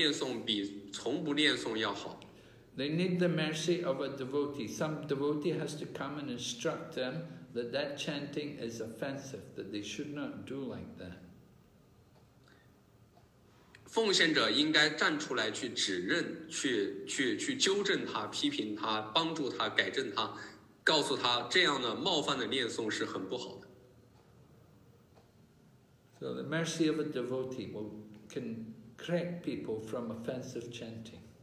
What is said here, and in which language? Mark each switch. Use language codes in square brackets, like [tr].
[zh] 你说的是对的，就是冒犯的念诵比从不念诵要好。 [en] They need the mercy of a devotee. Some devotee has to come and instruct them that chanting is offensive, that they should not do like that. [zh] 奉献者应该站出来去指认，去纠正他，批评他，帮助他，改正他，告诉他这样的冒犯的念诵是很不好的。 [en] So the mercy of a devotee can correct people from offensive chanting.